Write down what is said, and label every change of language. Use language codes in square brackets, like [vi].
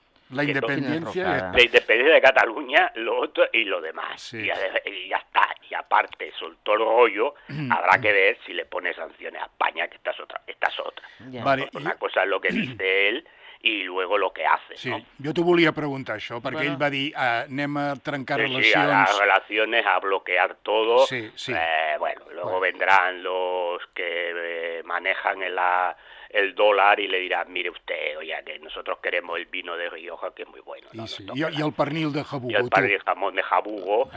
[es] La independencia. La independencia de Cataluña, lo otro y lo demás. Sí. Y ya está. Y aparte, soltó el rollo, habrá que ver si le pone sanciones a España, que esta es otra. Yeah. Vale. Una cosa es lo que dice él y luego lo que hace. Sí, ¿no? [ca] Yo te volia preguntar això, perquè ell va dir, anem a trencar relacions. Sí, a les relacions, a [es] bloquear todo. Sí, sí. Luego vendrán los que manejan el dólar y le dirán, mire usted, oye, que nosotros queremos el vino de Rioja, que es muy bueno. Y el pernil de jabugo. Y el pernil de jamón de jabugo.